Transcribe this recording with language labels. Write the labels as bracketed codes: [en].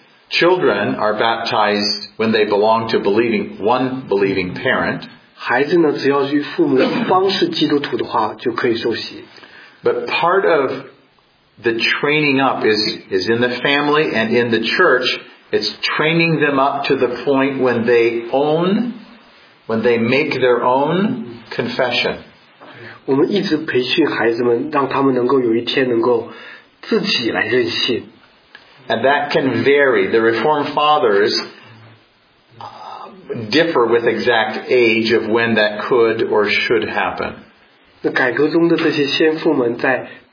[en] Children are baptized when they belong to one believing parent. [zh] 孩子呢，只要是父母方是基督徒的话，就可以受洗。 [en] But part of the training up is in the family and in the church. It's training them up to the point when they make their own confession. [zh] 我们一直培训孩子们，让他们能够有一天能够自己来认信。 [en] And that can vary. The Reformed Fathers differ with exact age of when that could or should happen. [zh] 那改革中的这些先父们在